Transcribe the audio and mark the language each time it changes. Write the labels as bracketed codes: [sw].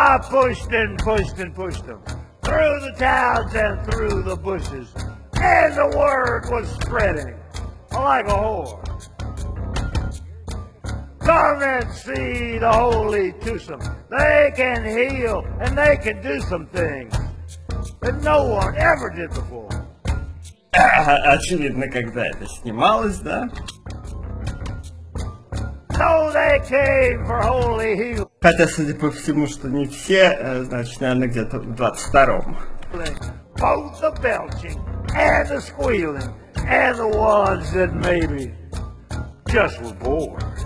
[en] Pushed and pushed and pushed them through the towns and through the bushes, and the word was spreading like a whore. Come and see the holy twosome. They can heal and they can do some things that no one ever did before. [ru] Очевидно, когда это снималось, да? [en] So they came for holy healing. [ru] Хотя, судя по всему, что не все, значит, наверное, где-то в 22-м. [en] Both the belching and the squealing and the ones that maybe just were bored.